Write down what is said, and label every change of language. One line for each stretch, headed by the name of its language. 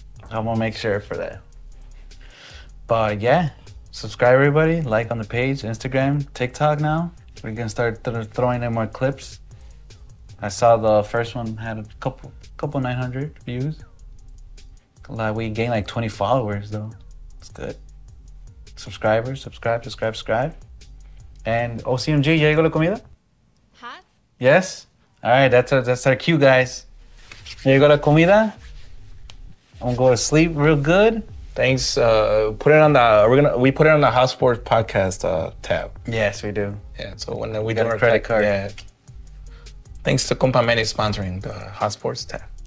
English: I'm gonna make sure for that. But yeah, subscribe everybody, like on the page, Instagram, TikTok now. We're gonna start throwing in more clips. I saw the first one had a couple 900 views. Like we gained like 20 followers though. It's good. Subscribers, subscribe.
Spanish: And OCMG, ya llegó la comida?
English: Huh? Yes? All right, that's our cue, guys.
Spanish: Ya llegó la comida?
English: I'm going to go to sleep real good. Thanks. We put it on the Hot Sports Podcast tab. Yes, we do. Yeah, so when we do our credit card. Yeah. Thanks to Compa Manny sponsoring the Hot Sports tab.